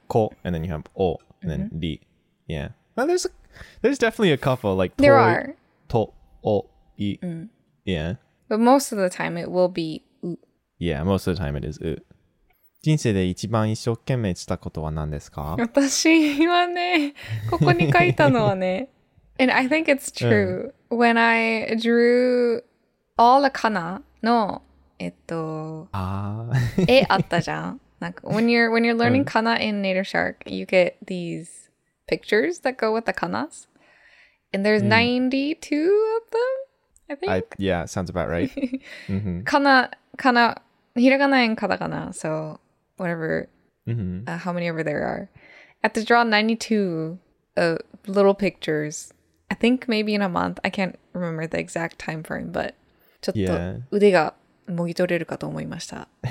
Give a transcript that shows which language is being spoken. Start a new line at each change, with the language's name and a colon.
English: Kō, and then you have o, and then ri. Yeah. Well, there's definitely a couple like there tōri, are. Tō, o, i. Yeah. But most of the time it will be u. Yeah, most of the time it is u.
Japanese: 人生で一番一生懸命したことは何ですか? 私はね、ここに書いたのはね。
English: And I think it's true. When I drew all the kana no when you're learning kana in Native Shark, you get these pictures that go with the kanas. And there's 92 of them, I think. Yeah, sounds about right. kana hiragana and katakana, so whatever how many ever there are. I have to draw 92 little pictures. I think maybe in a month. I can't remember the exact time frame, but
Japanese: ちょっと腕がもぎ取れるかと思いました.